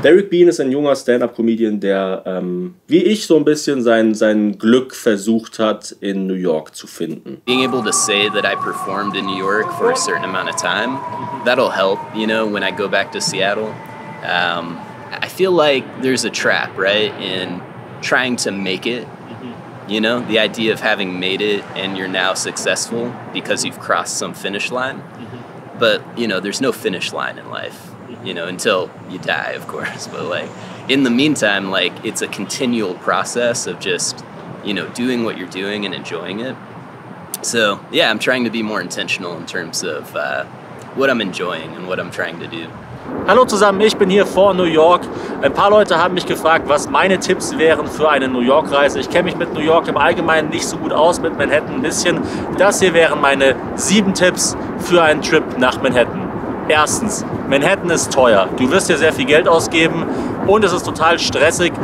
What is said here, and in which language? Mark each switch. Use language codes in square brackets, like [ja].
[de] Derek Bean ist ein junger Stand-up-Comedian, der wie ich so ein bisschen sein Glück versucht hat, in New York zu finden. [en] Being able to say that I performed in New York for a certain amount of time, that'll help, you know, when I go back to Seattle. I feel like there's a trap, right, in trying to make it. You know, the idea of having made it and you're now successful because you've crossed some finish line. But, you know, there's no finish line in life, you know, until you die, of course. But, like, in the meantime, like, it's a continual process of just, you know, doing what you're doing and enjoying it. So, yeah, I'm trying to be more intentional in terms of what I'm enjoying and what I'm trying to do. [de] Hallo zusammen, ich bin hier vor New York. Ein paar Leute haben mich gefragt, was meine Tipps wären für eine New York-Reise. Ich kenne mich mit New York im Allgemeinen nicht so gut aus, mit Manhattan ein bisschen. Das hier wären meine 7 Tipps für einen Trip nach Manhattan. Erstens, Manhattan ist teuer. Du wirst hier sehr viel Geld ausgeben und es ist total stressig.